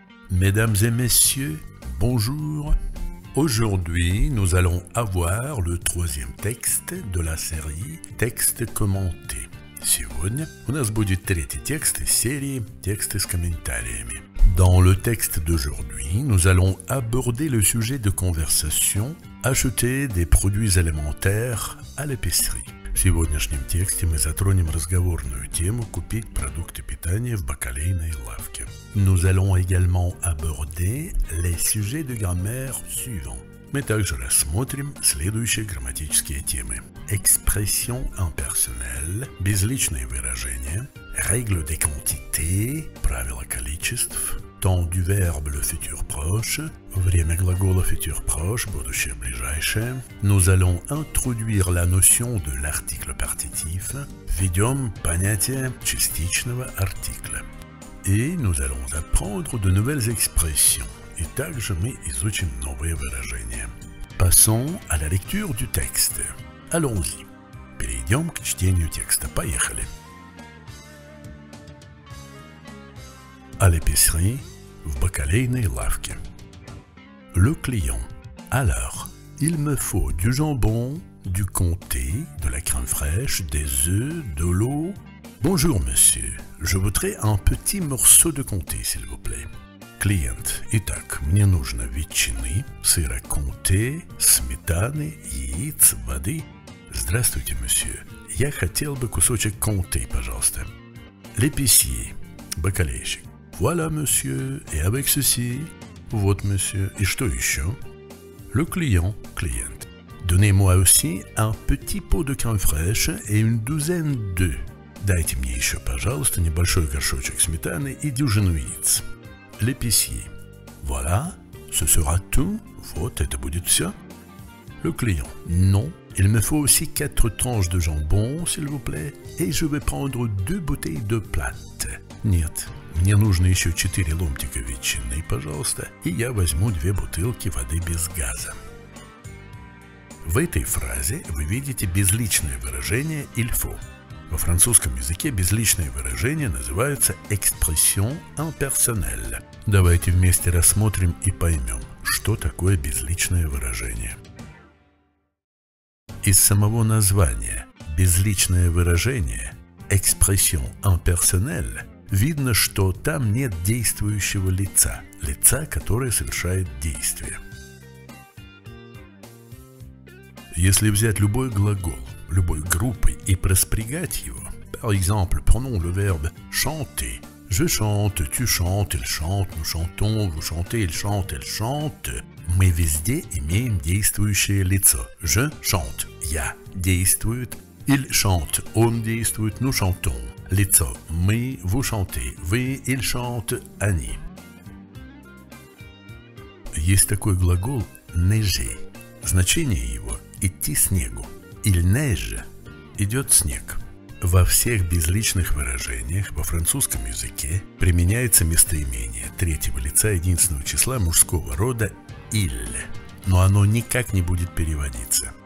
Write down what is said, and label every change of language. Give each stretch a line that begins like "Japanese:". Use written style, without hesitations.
French: Mesdames et messieurs, bonjour. Aujourd'hui, nous allons avoir le troisième texte de la série « Texte commenté ».
Russian: Сегодня у нас будет третий текст из серии «Тексты с комментариями».
French: Dans le texte d'aujourd'hui, nous allons aborder le sujet de conversation « Acheter des produits alimentaires à l'épicerie ».
Russian: В сегодняшнем тексте мы затронем разговорную тему «Купить продукты питания в бакалейной лавке».
French: Nous allons également aborder les sujets de grammaire suivants.
Russian: Мы также рассмотрим следующие грамматические темы.
French: Expression impersonnelle,
Russian: безличные выражения,
French: règles des quantités,
Russian: правила количеств,
French: temps du verbe le futur proche,
Russian: время глагола
French: futur proche,
Russian: будущее ближайшее.
French: Nous allons introduire la notion de l'article partitif,
Russian: введем понятие частичного
French: article. Et nous allons apprendre de nouvelles expressions.
Russian: Et также мы изучим новые выражения.
French: Passons à la lecture du texte. Allons-y.
Russian: Перейдем к чтению текста. Поехали.
French: À l'épicerie,
Russian: в бакалейной лавке.
French: Le client. Alors, il me faut du jambon, du comté, de la crème fraîche, des œufs, de l'eau. Bonjour monsieur, je voudrais un petit morceau de comté, s'il vous plaît. Client.
Russian: Итак, мне нужно ветчины, сыра конте, сметаны, яиц, воды. Здравствуйте, monsieur. Я хотел бы кусочек конте, пожалуйста.
French: L'épicier. Бакалейщик. Voilà, monsieur. Et avec ceci.
Russian: Вот, monsieur.
French: Et
Russian: что еще?
French: Le client. Client. Donnez-moi aussi un petit pot de crème fraîche et une douzaine d'œufs.
Russian: Дайте мне еще, пожалуйста, небольшой горшочек сметаны и дюжину яиц.
French: L'épicier. Voilà, ce sera tout.
Russian: Вот, это будет все.
French: Le client. Non, il me faut aussi 4 tranches de jambon, s'il vous plaît. Et je vais prendre 2 bouteilles de plate.
Russian: Нет, мне нужно еще 4 ломтика ветчины, пожалуйста. И я возьму 2 бутылки воды без газа. В этой фразе вы видите безличное выражение «il faut». Во французском языке безличное выражение называется «expression impersonnelle». Давайте вместе рассмотрим и поймем, что такое безличное выражение. Из самого названия «безличное выражение» «expression impersonnelle» видно, что там нет действующего лица, лица, которое совершает действие. Если взять любой глагол, любой группы и проспрягать его.
French: Par exemple, prenons le verbe chanter. Je chante, tu chantes, il chante, nous chantons, vous chantez, il chante, elle chante.
Russian: Мы везде имеем действующее лицо.
French: Je chante,
Russian: я действует,
French: il chante,
Russian: он действует,
French: nous chantons.
Russian: Лицо, мы,
French: vous chantez,
Russian: вы,
French: il chante,
Russian: они. Есть такой глагол neiger. Значение его – идти снегу. Il neige – идет снег. Во всех безличных выражениях во французском языке применяется местоимение третьего лица единственного числа мужского рода «il», но оно никак не будет переводиться.